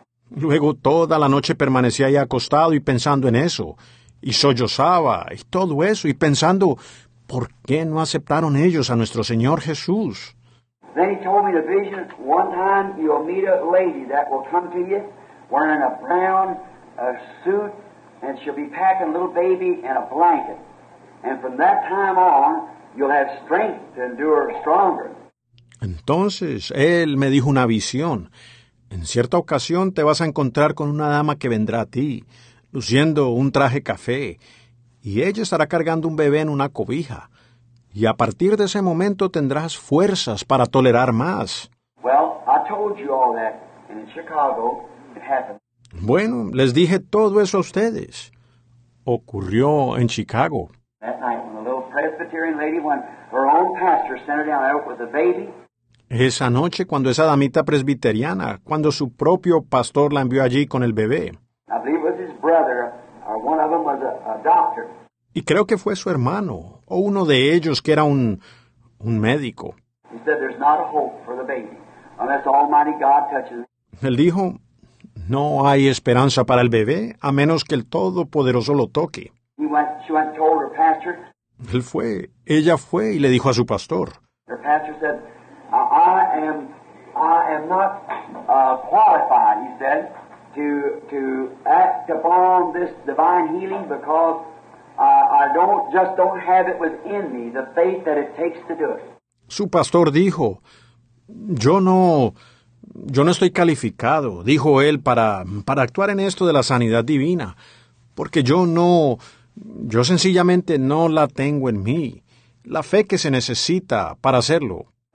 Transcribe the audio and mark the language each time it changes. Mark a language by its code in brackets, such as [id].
[es] Luego toda la noche permanecía ahí acostado y pensando en eso. Y sollozaba, y todo eso, y pensando, ¿por qué no aceptaron ellos a nuestro Señor Jesús? [en] Then he told me the vision, one time you'll meet a lady that will come to you, wearing a brown suit, and she'll be packing a little baby in a blanket. And from that time on, you'll have strength to endure stronger. [es] Entonces, él me dijo una visión. En cierta ocasión te vas a encontrar con una dama que vendrá a ti, luciendo un traje café, y ella estará cargando un bebé en una cobija, y a partir de ese momento tendrás fuerzas para tolerar más. [en] Well, I told you all that, and in Chicago, it happened. [es] Bueno, les dije todo eso a ustedes. Ocurrió en Chicago. [en] That night, when a little Presbyterian lady, when her own pastor sent her down there with a baby. [es] Esa noche, cuando esa damita presbiteriana, cuando su propio pastor la envió allí con el bebé. [en] I believe it was his brother, or one of them was a doctor. [es] Y creo que fue su hermano, o uno de ellos que era un médico. [en] He said, there's not a hope for the baby, unless Almighty God touches it. [es] Él dijo, no hay esperanza para el bebé, a menos que el Todopoderoso lo toque. [en] She went and told her pastor. [es] Ella fue y le dijo a su pastor. [en] Her pastor said, I am not qualified, he said. To act upon this divine healing because I don't have it within me, the faith that it takes to do it. [es] Su pastor dijo, yo no estoy calificado, dijo él, para actuar en esto de la sanidad divina, porque yo sencillamente no la tengo en mí, la fe que se necesita para hacerlo.